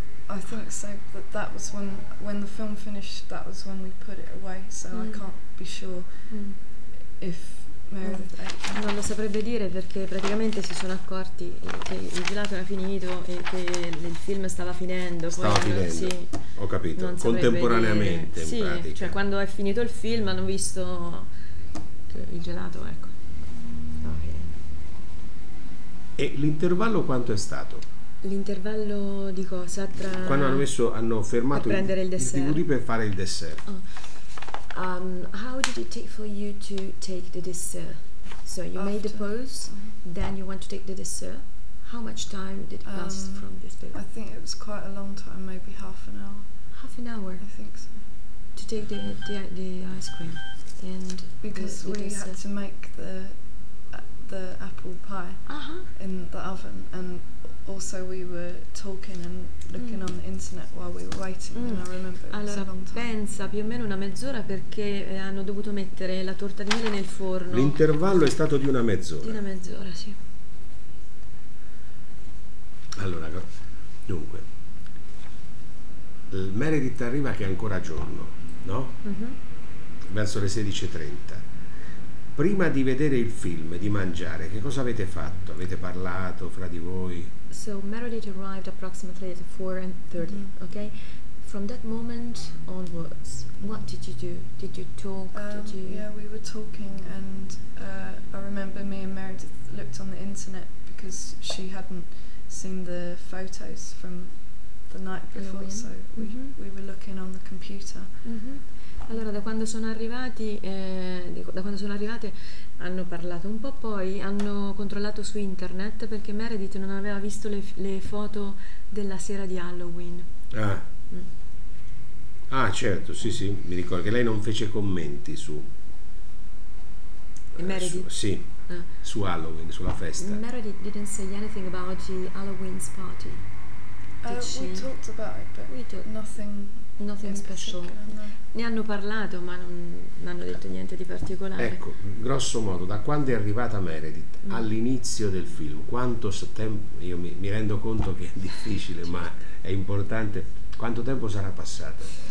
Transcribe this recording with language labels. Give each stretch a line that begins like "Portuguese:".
English: I think so, but that was when the film finished, that was when we put it away, so I can't be sure if Meredith ate.
Italian: Non lo saprebbe dire perché praticamente si sono accorti che il gelato era finito e che il film stava finendo. Stava finendo, sì, ho capito, contemporaneamente In sì, pratica. Cioè quando è finito il film hanno visto che il gelato, ecco. E l'intervallo quanto è stato? L'intervallo di cosa? Tra quando hanno messo, hanno fermato il DVD per fare il dessert. Oh.
English: How did it take for you to take the dessert? So you after made the pose, then you went to take the dessert. How much time did it pass from this bit? I think it was quite a long time, maybe half an hour. Half an hour? I think so. To take the ice cream and because the we dessert. Had to make the apple pie in the oven and also we were talking and looking on the internet while we were waiting and I remember it was
Italian: allora,
English: a long time.
Italian: Pensa più o meno una mezz'ora perché hanno dovuto mettere la torta di mele nel forno. L'intervallo è stato di una mezz'ora. Di una mezz'ora, sì. Allora, dunque, Meredith arriva che è ancora giorno, no? Mm-hmm. Verso le 16:30. Prima di vedere il film, di mangiare, che cosa avete fatto? Avete parlato fra di voi?
English: So Meredith arrived approximately at 4:30, okay? From that moment onwards, what did you do? Did you talk? Did you Yeah, we were talking and I remember me and Meredith looked on the internet because she hadn't seen the photos from the night before, so we were looking on the computer.
Italian: Allora, da quando sono arrivati, da quando sono arrivate, hanno parlato un po', poi hanno controllato su internet perché Meredith non aveva visto le foto della sera di Halloween. Ah. Ah, certo, sì, sì, mi ricordo che lei non fece commenti su Meredith. Su Halloween, sulla festa.
English: Meredith didn't say anything about the Halloween's party. We talked about it, but nothing special.
Italian: Ne hanno parlato, ma non hanno detto niente di particolare. Ecco, grosso modo, da quando è arrivata Meredith all'inizio del film, quanto tempo, io mi rendo conto che è difficile, ma è importante, quanto tempo sarà passato?